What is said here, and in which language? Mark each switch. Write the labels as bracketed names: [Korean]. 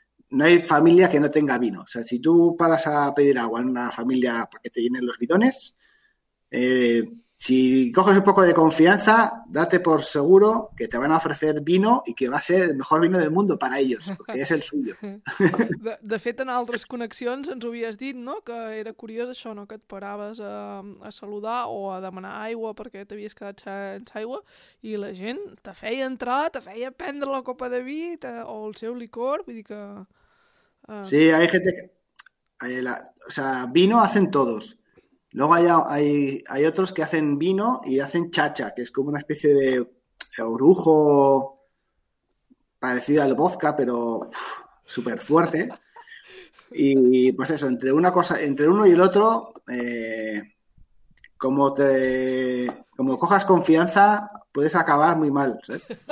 [Spanish] No hay familia que no tenga vino. O sea, si tú paras a pedir agua en una familia para que te llenen los bidones, si coges un poco de confianza, date por seguro que te van a ofrecer vino y que va a ser el mejor vino del mundo para ellos, porque es el suyo. [Catalan] De fet, en altres connexions ens ho havies dit, no?, que era curiós això, no?, que et paraves a saludar o a demanar aigua perquè t'havies quedat sense aigua i la gent te feia entrar, te feia prendre la copa de vi o el seu licor, vull dir que... [Spanish] Sí, hay gente que... O sea, vino hacen todos. Luego hay otros que hacen vino y hacen chacha, que es como una especie de orujo parecido al vodka, pero súper fuerte. Y pues eso, entre una cosa, entre uno y el otro, como cojas confianza, puedes acabar muy mal, ¿sabes?